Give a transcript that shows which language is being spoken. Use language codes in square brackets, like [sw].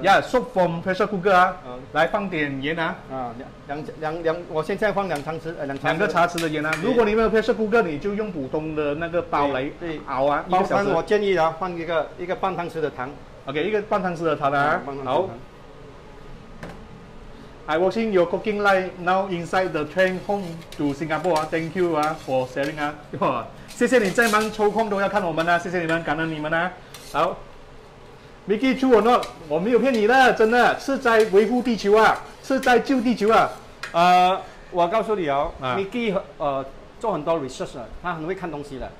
[zh] Yeah， soup from pressure cooker 啊，来放点盐啊。啊，两，我现在放两汤匙，两两个茶匙的盐啊。如果你没有 pressure cooker， 你就用普通的那个煲来熬啊，一个小时。我建议啊，放一个半汤匙的糖。 OK， 一个半汤匙的糖啊。糖好。 [en] I watching your cooking live now inside the train home to Singapore. Thank you 啊 for sharing 啊。 [zh] 谢谢你在忙抽空都要看我们啊，谢谢你们，感恩你们啊。 [en] 好，Mickey true or not？ [zh] 我没有骗你了，真的是在维护地球啊，是在救地球啊。我告诉你哦、啊、，Mickey 做很多 research， 他很会看东西的。